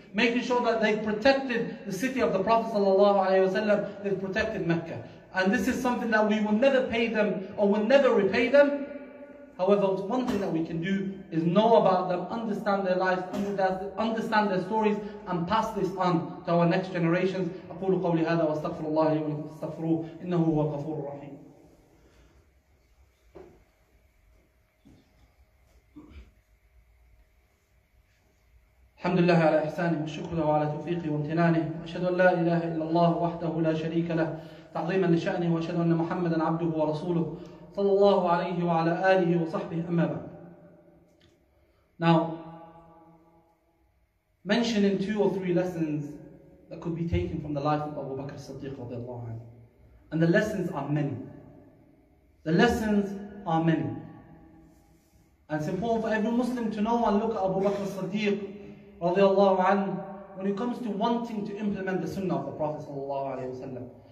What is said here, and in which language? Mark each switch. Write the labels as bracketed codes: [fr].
[en] Making sure that they protected the city of the Prophet sallallahu alaihi wasallam, they protected Mecca. And this is something that we will never pay them, or will never repay them. However, one thing that we can do is know about them, understand their lives, understand their stories, and pass this on to our next generations. [ar] أقول قولي هذا واستغفر الله واستغفروه إنه هو الغفور الرحيم. الحمد لله على إحسانه والشكر له على توفيقه وامتنانه. أشهد أن لا إله إلا الله وحده لا شريك له تعظيما لشأنه، وأشهد أن محمدا عبده ورسوله صلى الله عليه وعلى آله وصحبه. أما بعد. [en] Now mentioning two or three lessons that could be taken from the life of Abu Bakr as-Siddiq رضي الله عنه. And the lessons are many. The lessons are many. And it's important for every Muslim to know and look at Abu Bakr as-Siddiq رضي الله عنه when it comes to wanting to implement the sunnah of the Prophet صلى الله عليه وسلم.